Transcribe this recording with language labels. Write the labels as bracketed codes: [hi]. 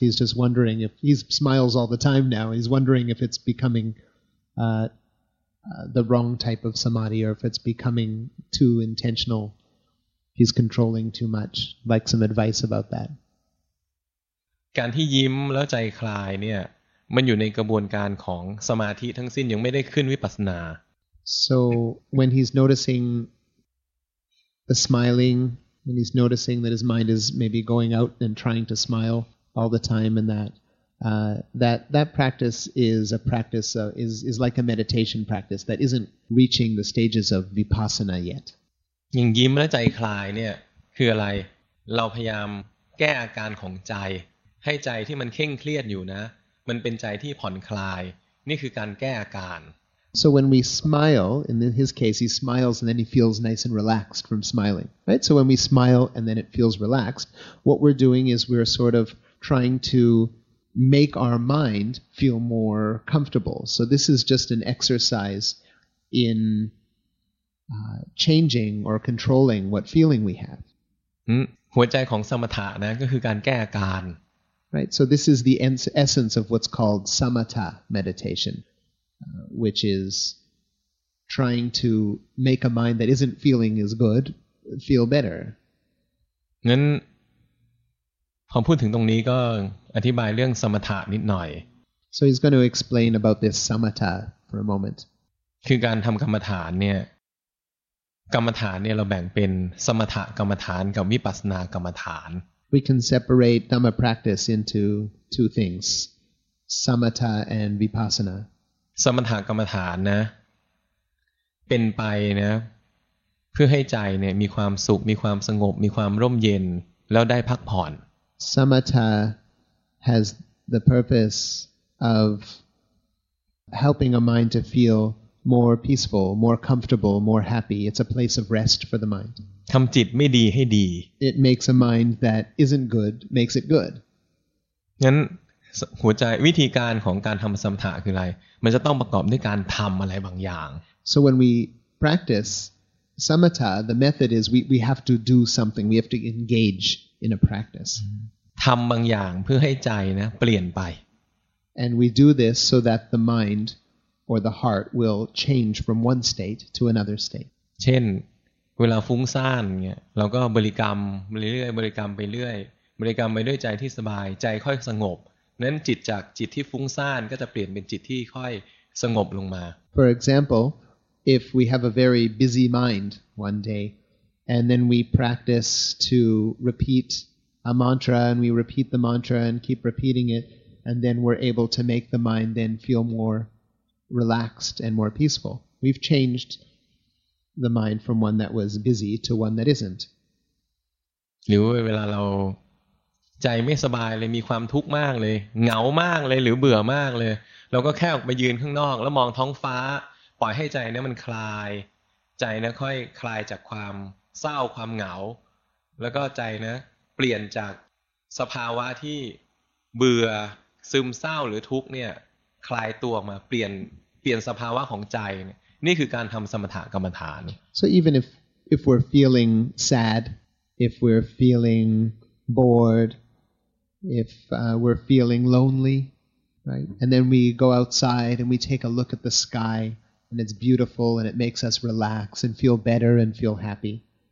[en] He's just wondering if he smiles all the time now. He's wondering if it's becoming the wrong type of samadhi, or if it's becoming too intentional, he's controlling too much. Like some advice about that. [th] การที่ยิ้มแล้วใจคลายเนี่ยมันอยู่ในกระบวนการของสมาธิทั้งสิ้นยังไม่ได้ขึ้นวิปัสสนา [en] So when he's noticing the smiling, when he's noticing that his mind is maybe going out and trying to smile all the time, and that. That practice is a practice is like a meditation practice that isn't reaching the stages of vipassana yet. [th] ยิ้มแล้วใจคลายเนี่ยคืออะไรเราพยายามแก้อาการของใจให้ใจที่มันเคร่งเครียดอยู่นะมันเป็นใจที่ผ่อนคลายนี่คือการแก้อาการ [en] So when we smile, in his case, he smiles and then he feels nice and relaxed from smiling, right? So when we smile and then it feels relaxed, what we're doing is we're sort of trying to make our mind feel more comfortable. So this is just an exercise in changing or controlling what feeling we have. [th] หัวใจของสมถะนะก็คือการแก้อาการ [en] Right, so this is the essence of what's called samatha meditation, which is trying to make a mind that isn't feeling as good feel better. [th] งั้นพอพูดถึงตรงนี้ก็อธิบายเรื่องสมถะนิดหน่อย [en] So he's going to explain about this samatha for a moment. [th] คือการทำกรรมฐานเนี่ยกรรมฐานเนี่ยเราแบ่งเป็นสมถะกรรมฐานกับวิปัสสนากรรมฐาน [en] We can separate dhamma practice into two things, samatha and vipassana. [th] สมถะกรรมฐานนะเป็นไปนะเพื่อให้ใจเนี่ยมีความสุขมีความสงบมีความร่มเย็นแล้วได้พักผ่อน [en] samatha. Has the purpose of helping a mind to feel more peaceful, more comfortable, more happy. It's a place of rest for the mind. [th] ทำจิตไม่ดีให้ดี [en] It makes a mind that isn't good makes it good. [th] งั้นหัวใจวิธีการของการทำสมถะคืออะไรมันจะต้องประกอบด้วยการทำอะไรบางอย่าง [en] So when we practice samatha, the method is we have to do something. We have to engage in a practice. Mm-hmm. [th] ทำบางอย่างเพื่อให้ใจนะเปลี่ยนไป [en] And we do this so that the mind or the heart will change from one state to another state [th] เช่นเวลาฟุ้งซ่านเงี้ยเราก็บริกรรมเรื่อยๆบริกรรมไปเรื่อยบริกรรมไปด้วยใจที่สบายใจค่อยสงบนั้นจิตจากจิตที่ฟุ้งซ่านก็จะเปลี่ยนเป็นจิตที่ค่อยสงบลงมา [en] For example if we have a very busy mind one day and then we practice to repeat a mantra and we repeat the mantra and keep repeating it and then we're able to make the mind then feel more relaxed and more peaceful we've changedthe mind from one that was busy to one that isn't [th] หรือเวลาเราใจไม่สบายเลยมีความทุกข์มากเลยเหงามากเลยหรือเบื่อมากเลยเราก็แค่ออกไปยืนข้างนอกแล้วมองท้องฟ้าปล่อยให้ใจนั้นมันคลายใจนั้นค่อยคลายจากความเศร้าความเหงาแล้วก็ใจนะเปลี่ยนจากสภาวะที่เบื่อซึมเศร้าหรือทุกข์เนี่ยคลายตัวออกมาเปลี่ยนสภาวะของใจนี่คือการทำสมถะกรรมฐาน [en] So even if we're feeling sad, if we're feeling bored, if we're feeling lonely, right? And then we go outside and we take a look at the sky and it's beautiful and it makes us relax and feel better and feel happy.